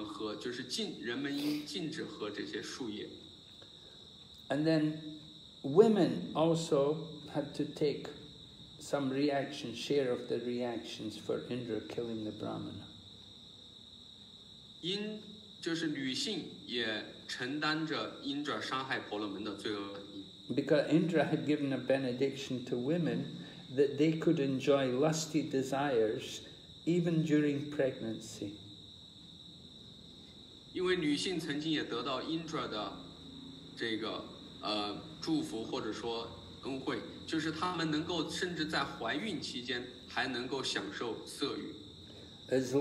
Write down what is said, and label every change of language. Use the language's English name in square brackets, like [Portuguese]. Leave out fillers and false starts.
[Chinese] 这样的液体不应该被人们喝，就是人们应禁止喝这些树叶。 [English] And then women also had to take some reaction, share of the reactions for Indra killing the brahmana. [Chinese] 就是女性也 [English] Because Indra had given a benediction to women that they could enjoy lusty desires even during pregnancy. [Chinese] 因为女性曾经也得到Indra的这个祝福或者说恩惠，就是她们能够甚至在怀孕期间还能够享受色欲。